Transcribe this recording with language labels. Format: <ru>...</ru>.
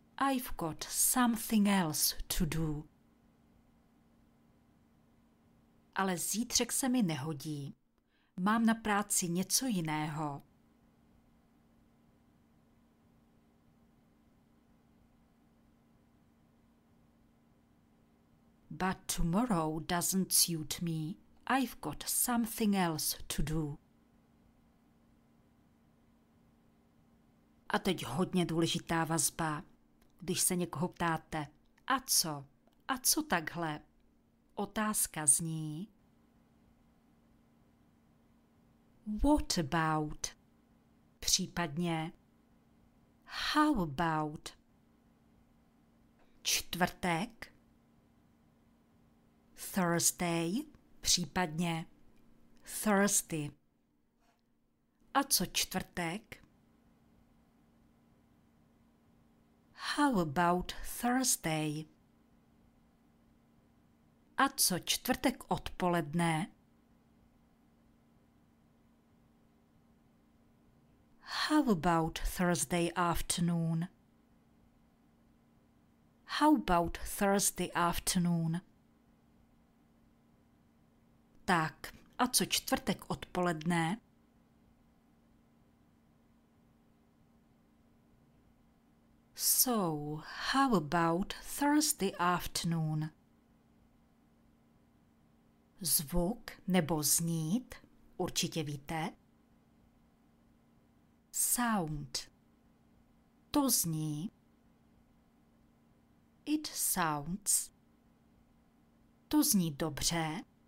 <en>I've got something else to do.</en> <cs>Ale zítřek se mi nehodí. Mám na práci něco jiného.</cs> <en>But tomorrow doesn't suit me. I've got something else to do.</en> <cs>A teď hodně důležitá vazba. Když se někoho ptáte, a co? A co takhle? Otázka zní...</cs> <en>What about?</en> <cs>Případně</cs> <en>how about?</en> <cs>Čtvrtek?</cs> <en>Thursday?</en> <cs>Případně</cs> <en>Thursday.</en> <cs>A co čtvrtek?</cs> <en>How about Thursday?</en> <cs>A co čtvrtek odpoledne?</cs> <en>How about Thursday afternoon? How about Thursday afternoon?</en> <cs>Tak, a co čtvrtek odpoledne?</cs> <en>So, how about Thursday afternoon?</en> <cs>Zvuk nebo znít, určitě víte.</cs> <en>Sound.</en> <cs>To zní.</cs> <en>It sounds.</en> <cs>To zní dobře.</cs>